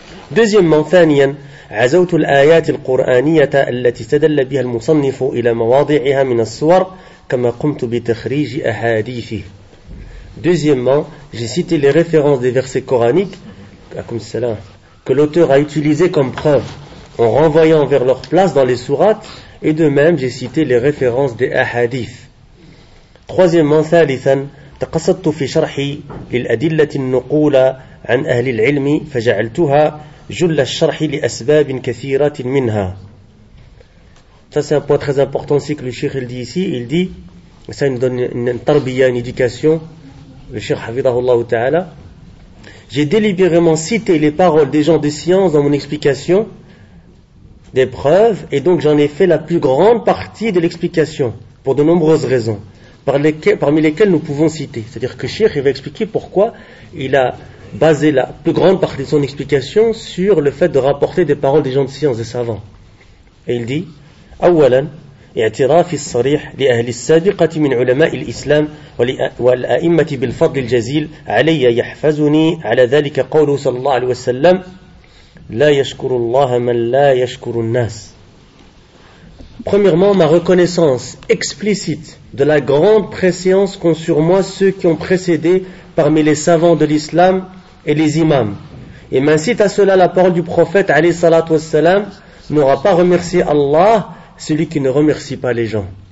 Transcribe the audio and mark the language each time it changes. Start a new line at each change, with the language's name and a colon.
Arabic: Deuxièmement, thaniyan, عزوت الآيات القرآنية التي استدل بها المصنف إلى مواضعها من الصور كما قمت بتخريج أحاديثه.
French: Deuxièmement, j'ai cité les références des versets coraniques que l'auteur a utilisé comme preuve en renvoyant vers leur place dans les sourates, et de même j'ai cité les références des ahadiths.
Arabic: Troisièmement, ثالثاً, تقصدت في شرحي للأدلة النقولة عن أهل العلم فجعلتها جل الشرح لأسباب كثيرة منها.
French: Ça c'est un point très important aussi que le Cheikh dit ici. Il dit, ça nous donne une tarbiya, une éducation, le Cheikh hafidahullah ta'ala. J'ai délibérément cité les paroles des gens de science dans mon explication des preuves, et donc j'en ai fait la plus grande partie de l'explication pour de nombreuses raisons parmi lesquelles nous pouvons citer. C'est-à-dire que Cheikh va expliquer pourquoi il a basé la plus grande partie de son explication sur le fait de rapporter des paroles des gens de science, des savants. Et il dit
Arabic: اولا اعترافي الصريح لاهل السابقه من علماء الاسلام والائمه بالفضل الجزيل علي يحفزني على ذلك قوله صلى الله عليه وسلم لا يشكر الله من لا يشكر الناس.
French: Premièrement, ma reconnaissance explicite de la grande préscience qu'ont sur moi ceux qui ont précédé parmi les savants de l'islam et les imams, et m'incite à cela la parole du prophète alayhi salatu wassalam, n'aura pas remercié Allah celui qui ne remercie pas les gens.